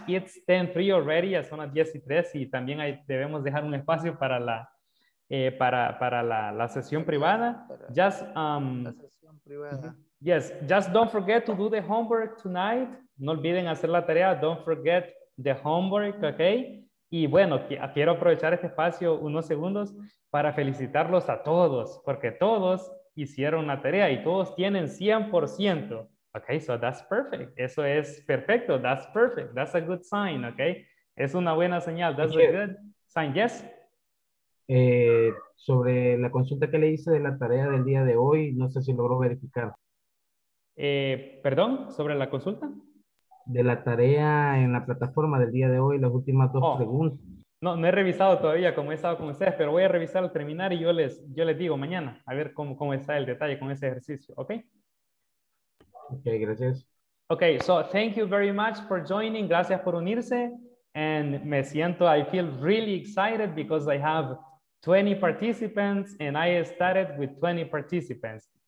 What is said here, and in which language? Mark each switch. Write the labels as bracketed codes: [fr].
[en] It's 10:03 already, [es] ya son las 10:03 y también debemos dejar un espacio para la para la sesión privada. [en] Just don't forget to do the homework tonight. [es] No olviden hacer la tarea. [en] Don't forget the homework, okay? [es] Y bueno, quiero aprovechar este espacio unos segundos para felicitarlos a todos, porque todos hicieron la tarea y todos tienen 100%. [en] Okay, so that's perfect. [es] Eso es perfecto. [en] That's perfect. That's a good sign, okay? [es] Es una buena señal. [en] That's a good sign. Yes? [es] Sobre la consulta que le hice de la tarea del día de hoy, no sé si logró verificar. Perdón, sobre la consulta. De la tarea en la plataforma del día de hoy, las últimas dos preguntas. No he revisado todavía como he estado con ustedes, pero voy a revisar al terminar y yo les digo mañana a ver cómo está el detalle con ese ejercicio, ¿ok? Ok, gracias. [en] Ok, so thank you very much for joining. [es] Gracias por unirse. [en] And [es] me siento, [en] I feel really excited because I have 20 participants and I started with 20 participants.